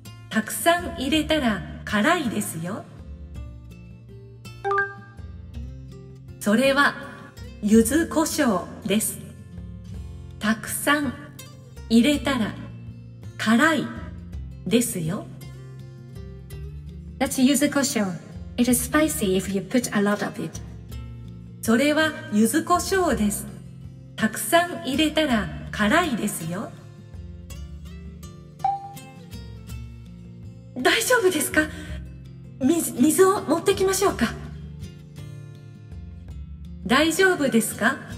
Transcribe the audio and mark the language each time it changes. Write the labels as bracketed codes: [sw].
[ja] たくさん入れたら辛いですよ。それは柚子胡椒です。たくさん入れたら辛いですよ。 [en] That's 柚子胡椒。 It is spicy if you put a lot of it。 [ja] それは柚子胡椒です。たくさん入れたら辛いですよ。大丈夫ですか？水を持ってきましょうか。大丈夫ですか？